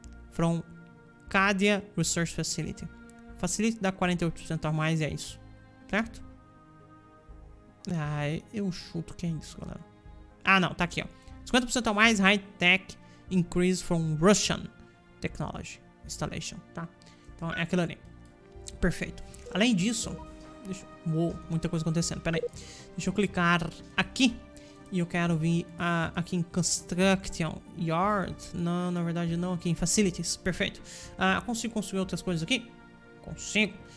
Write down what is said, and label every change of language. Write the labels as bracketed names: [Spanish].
[English] From Cadia Research Facility. [Portuguese] Facility dá 48% a mais e é isso. Certo? Ai, eu chuto que é isso, galera. Ah, não. Tá aqui, ó. 50% a mais, high tech. [English] Increase from Russian Technology Installation, tá? [Portuguese] Então é aquilo ali. Perfeito. Além disso, uou, muita coisa acontecendo. Pera aí. Deixa eu clicar aqui. E eu quero vir aqui em Construction Yard. Não, na verdade não. Aqui em Facilities. Perfeito. Consigo construir outras coisas aqui? Consigo.